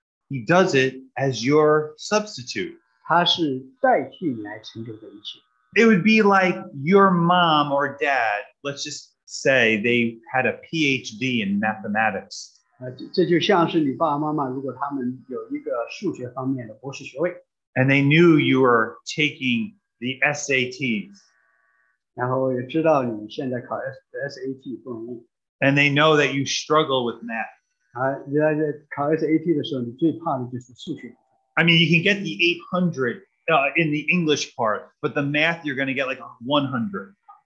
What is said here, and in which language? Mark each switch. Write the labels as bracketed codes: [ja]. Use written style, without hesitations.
[en] He does it as your substitute. It would be like your mom or dad, let's just say they had a PhD in mathematics. [zh] 这就像是你爸爸妈妈如果他们有一个数学方面的博士学位。 [en] And they knew you were taking the SATs. [zh] 然后也知道你现在考SAT不容易。 [en] And they know that you struggle with math. I mean, you can get the 800 in the English part, but the math, you're going to get like 100.